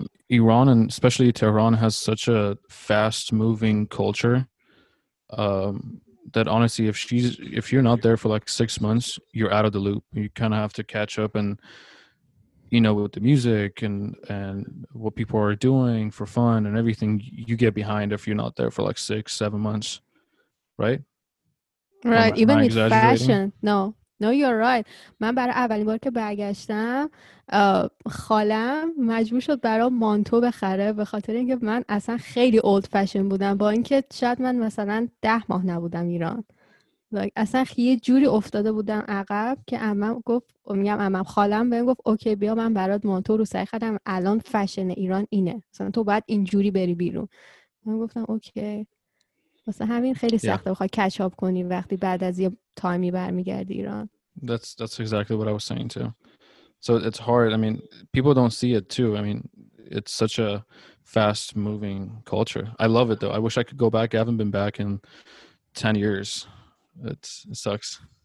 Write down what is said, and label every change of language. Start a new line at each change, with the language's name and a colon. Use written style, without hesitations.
English: Iran and especially Tehran has such a fast moving culture that honestly if you're not there for like 6 months, you're out of the loop. You kind of have to catch up, and you know, with the music and what people are doing for fun and everything, you get behind if you're not there for like 6-7 months, right? Right. Even with fashion. No, you're right.
Persian: من برای اولین بار که برگشتم خالم مجبور شد برای مانتو بخره، به خاطر اینکه من اصلا خیلی اولد فشن بودم، با اینکه شاید من مثلا 10 ماه نبودم ایران. Like, اصلا یه جوری افتاده بودم عقب که عمم گفت، میگم عمم، خالم بهم گفت اوکی بیا من برات مانتو رو سعی خدم، الان فشن ایران اینه، مثلا تو باید اینجوری بری بیرون. من گفتم اوکی. مثلا همین خیلی سخته بخوای کچ آپ کنی وقتی بعد از یه تایمی برمیگردی ایران.
English: That's exactly what I was saying too. So it's hard. I mean, people don't see it too. I mean, it's such a fast moving culture. I love it though. I wish I could go back. I haven't been back in 10 years. It sucks.